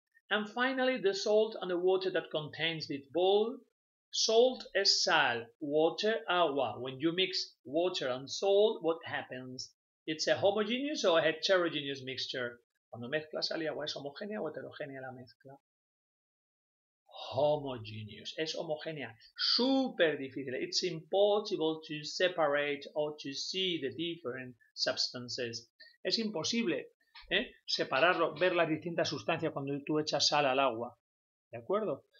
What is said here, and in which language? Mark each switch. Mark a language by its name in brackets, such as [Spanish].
[English] And finally, the salt and the water that contains this ball. Salt [Spanish] es sal, [English] water, agua. When you mix water and salt, what happens? It's a homogeneous or a heterogeneous mixture. [Spanish] Cuando mezclas sal y agua, ¿es homogénea o heterogénea la mezcla? [English] Homogeneous, [Spanish] es homogénea, super difícil. [English] It's impossible to separate or to see the different substances. [Spanish] Es imposible, ¿eh?, separarlo, ver las distintas sustancias cuando tú echas sal al agua, ¿de acuerdo?